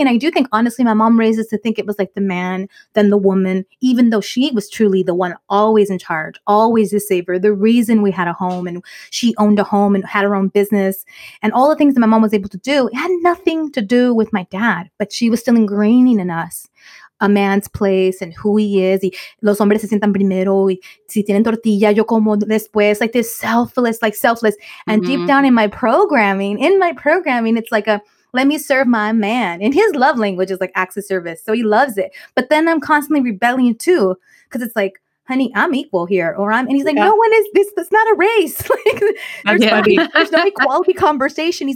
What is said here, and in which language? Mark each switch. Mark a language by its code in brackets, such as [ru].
[en] And I do think, honestly, my mom raised us to think it was like the man, then the woman, even though she was truly the one always in charge, always the saver, the reason reason we had a home and she owned a home and had her own business. And all the things that my mom was able to do, it had nothing to do with my dad, but she was still ingraining in us a man's place and who he is. [es] Los hombres se sientan primero. Si tienen tortilla, yo como después. [en] Like this selfless, like selfless. And deep down in my programming, it's like a, let me serve my man. And his love language is like acts of service. So he loves it. But then I'm constantly rebelling too. Cause it's like, honey, I'm equal here. And he's like, yeah. No one is this. That's not a race. Like, there's no equality conversation.